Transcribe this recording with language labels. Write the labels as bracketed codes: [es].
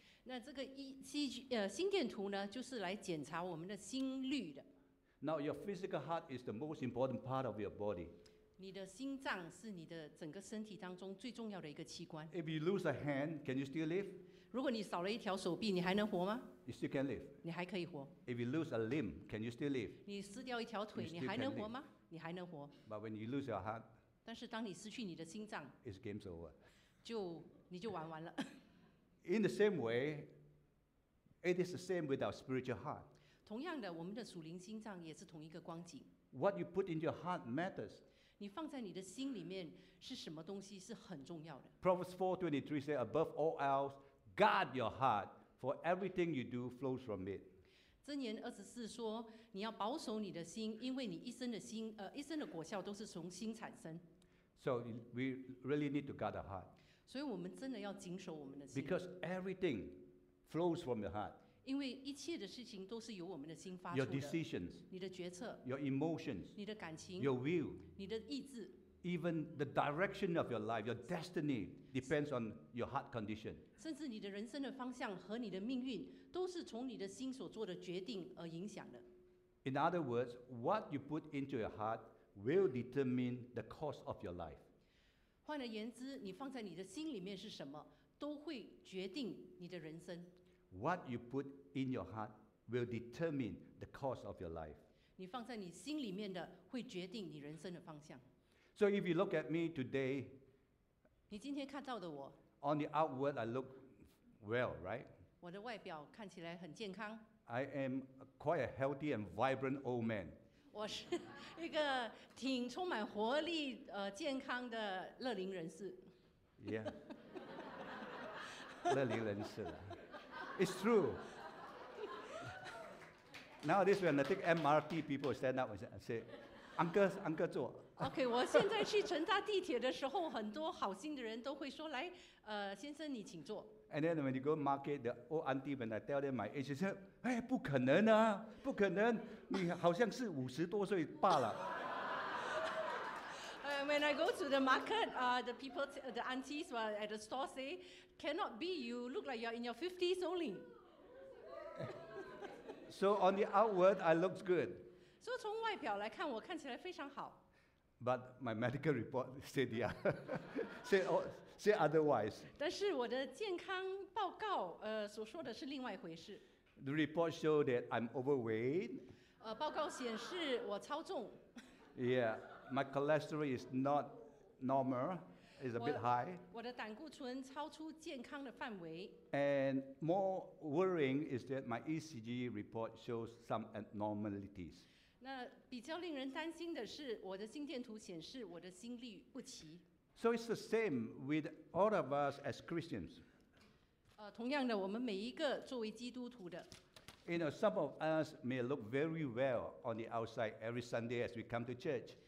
[zh] 那这个心电图呢，就是来检查我们的心率的。 [en] Now your physical heart is the most important part of your body. [zh] 你的心脏是你的整个身体当中最重要的一个器官。 [en] If you lose a hand, can you still live? [zh] 如果你少了一条手臂，你还能活吗 [en] ？You still can live. [zh] 你还可以活。 [en] If you lose a limb, can you still live? [zh] 你失掉一条腿，你还能活吗？你还能活。 [en] But when you lose your heart, [zh] 但是当你失去你的心脏 [en] ，It's game's over. [zh] 你就玩完了。 [en] In the same way, it is the same with our spiritual heart. [zh] 同样的，我们的属灵心脏也是同一个光景。 [en] What you put in your heart matters. [zh] 你放在你的心里面是什么东西是很重要的。 [en] Proverbs 4:23 says, "Above all else, guard your heart, For everything you do flows from it. [zh] 箴言二十四说，你要保守你的心，因为你一生的心，一生的果效都是从心产生。 [en] So we really need to guard our heart. [zh] 所以我们真的要谨守我们的心。 [en] Because everything flows from your heart. [zh] 因为一切的事情都是由我们的心发出的。 [en] Your decisions. [zh] 你的决策。 [en] Your emotions. [zh] 你的感情。 [en] Your will. [zh] 你的意志。 [en] Even the direction of your life, your destiny depends on your heart condition. [zh] 甚至你的人生的方向和你的命运都是从你的心所做的决定而影响的。 [en] In other words, what you put into your heart will determine the course of your life. [zh] 换而言之，你放在你的心里面是什么，都会决定你的人生。 [en] What you put in your heart will determine the course of your life. [zh] 你放在你心里面的会决定你人生的方向。 [en] So if you look at me today, [zh] 你今天看到的我, [en] on the outward I look well, right? [zh] 我的外表看起来很健康。 [en] I am quite a healthy and vibrant old man. [zh] 我是一个挺充满活力, 健康的乐龄人士。 [en] Yeah. [zh] 乐龄人士。 [en] It's true. Nowadays when I take MRT, people stand up and say,Uncle [zh] 坐。 OK， 我现在去乘搭地铁的时候，很多好心的人都会说：“来，先生，你请坐。” [en] And then when you go market, the old auntie when I tell them my age, she said， [zh] 哎，不可能啊，不可能，你好像是五十多岁罢了。 [en] When I go to the market, the people, the aunties who are at the store say, "Cannot be, you look like you're in your fifties only." So on the outward, I look good. [zh] 所以从外表来看，我看起来非常好。 [en] But my medical report said the say otherwise. [zh] 但是我的健康报告，所说的是另外一回事。 [en] The report showed that I'm overweight. [zh] 报告显示我超重。 [en] Yeah, my cholesterol is not normal. It's a bit high. [zh] 我的胆固醇超出健康的范围。 [en] And more worrying is that my ECG report shows some abnormalities. [zh] 那比较令人担心的是，我的心电图显示我的心律不齐。 [en] So it's the same with all of us as Christians. [zh] 同样的，我们每一个作为基督徒的。 [en] You know, some of us may look very well on the outside every Sunday as we come to church.